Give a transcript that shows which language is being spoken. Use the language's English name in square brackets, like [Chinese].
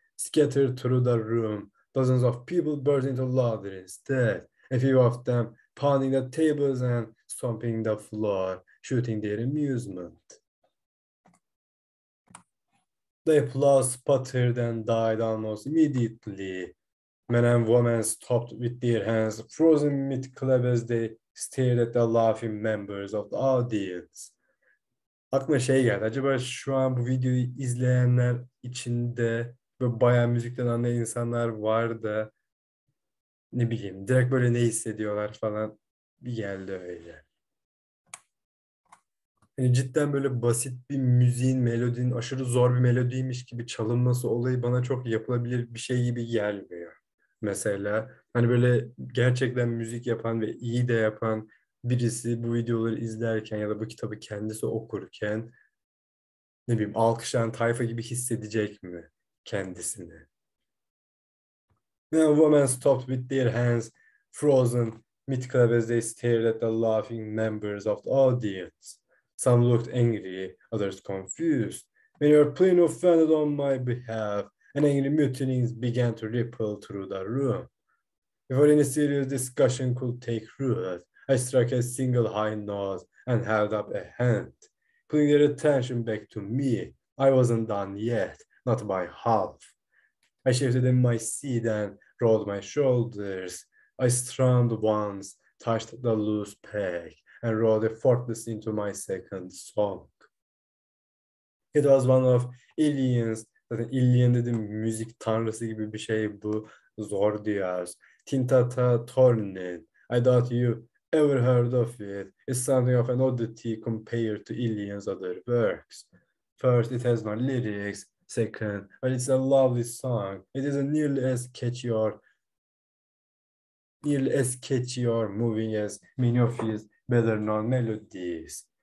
[English] Scattered through the room, dozens of people burst into laughter instead, a few of them pounding the tables and stomping the floor, shouting their amusement. The applause sputtered and died almost immediately. Men and women stopped with their hands frozen mid-clap as they stared at the laughing members of the audience. [Turkish] Aklıma şey geldi. Acaba şu an bu videoyu izleyenler içinde ve bayağı müzikten anlayan insanlar var da ne bileyim direkt böyle ne hissediyorlar falan bir geldi öyle. Yani cidden böyle basit bir müziğin, melodinin aşırı zor bir melodiymiş gibi çalınması olayı bana çok yapılabilir bir şey gibi gelmiyor. Mesela hani böyle gerçekten müzik yapan ve iyi de yapan birisi bu videoları izlerken ya da bu kitabı kendisi okurken ne bileyim alkışlayan tayfa gibi hissedecek mi kendisini? [English] The woman stopped with their hands frozen mid-clap as they stared at the laughing members of the audience. Some looked angry, others confused. Many were plain offended on my behalf, and angry mutinies began to ripple through the room. Before any serious discussion could take root, I struck a single high note and held up a hand, pulling their attention back to me. I wasn't done yet, not by half. I shifted in my seat and rolled my shoulders. I strummed once, touched the loose peg, and rolled effortlessly into my second song. It was one of Ilion's, [Turkish] zaten Ilion dedim, müzik tanrısı gibi bir şey bu, zor diyoruz. [English] Tintata Tornin, I doubt you ever heard of it. It's something of an oddity compared to Ilion's other works. First, it has no lyrics. Second, but it's a lovely song. It isn't nearly as catchy or moving as many of his better known melodies.